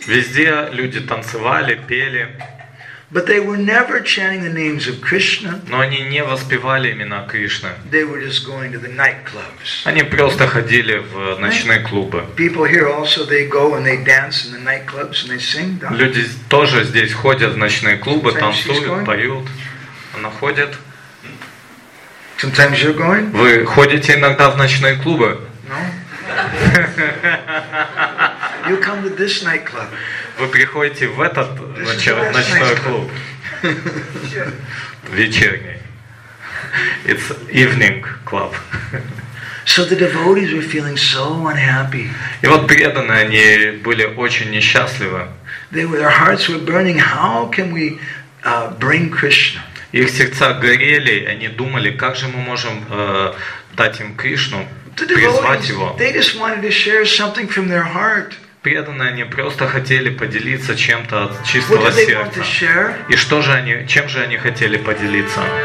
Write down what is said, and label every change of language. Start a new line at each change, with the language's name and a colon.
Russian: Везде люди танцевали, пели.
English: But they were never chanting the names of Krishna.
Russian: Но они не воспевали имена Кришны.
English: They were just going to the nightclubs.
Russian: Они просто ходили в ночные клубы.
English: People here also they go and they dance in the nightclubs and they sing.
Russian: Люди тоже здесь ходят в ночные клубы, танцуют, поют. Она ходит.
English: Sometimes you're going?
Russian: Вы ходите иногда в ночные клубы?
English: No. You come to this nightclub.
Russian: Вы приходите в этот ночной клуб. Вечерний.
English: It's evening club. So the devotees were feeling so unhappy.
Russian: И вот преданные, они были очень несчастливы.
English: Their hearts were burning. How can we bring Krishna?
Russian: Их сердца горели, они думали, как же мы можем дать им Кришну.
English: They just wanted to share something from their heart.
Russian: Преданные, они просто хотели поделиться чем-то от чистого сердца. И что же они, чем же они хотели поделиться?